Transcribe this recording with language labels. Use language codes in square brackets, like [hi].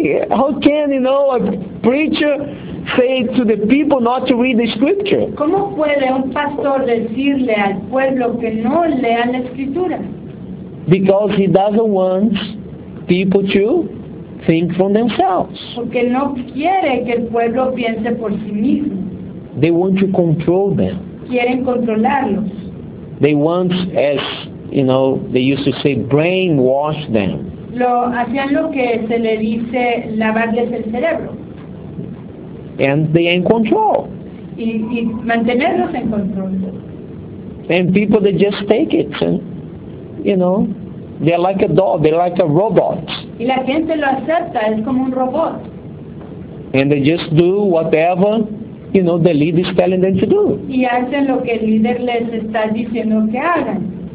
[en] How can a preacher say to the people not to read the scripture? [es] ¿Cómo puede un pastor decirle al pueblo que no lea la escritura? [en] Because he doesn't want people to think for themselves. [es] Porque no quiere que el pueblo piense por sí mismo. [en] They want to control them. [es] Quieren controlarlos. [en] They want, as you know, they used to say, brainwash them. [es] Lo hacían lo que se le dice lavarles el cerebro. [en] And they are in control. [es] Y mantenerlos en control. [en] And people, they just take it. And, you know, they're like a dog, they're like a robot. [es] Y la gente lo acepta, es como un robot. [en] And they just do whatever, you know, the leader is telling them to do. [es] Y hacen lo que el líder les está diciendo que hagan.